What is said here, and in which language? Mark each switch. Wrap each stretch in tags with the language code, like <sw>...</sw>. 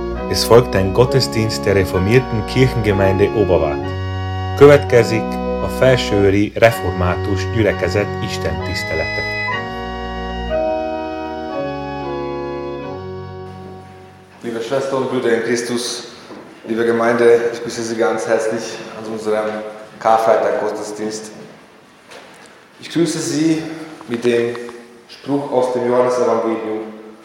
<de>Es folgt ein Gottesdienst der reformierten Kirchengemeinde Oberwart.</de> <hu>Következik a Felsőőri Református Gyülekezet istentisztelete.</hu> <de>Liebe Schwestern und Brüder in Christus, liebe Gemeinde, ich grüße Sie ganz herzlich an unserem Karfreitag-Gottesdienst. Ich grüße Sie mit dem Spruch aus dem Johannesevangelium.</de>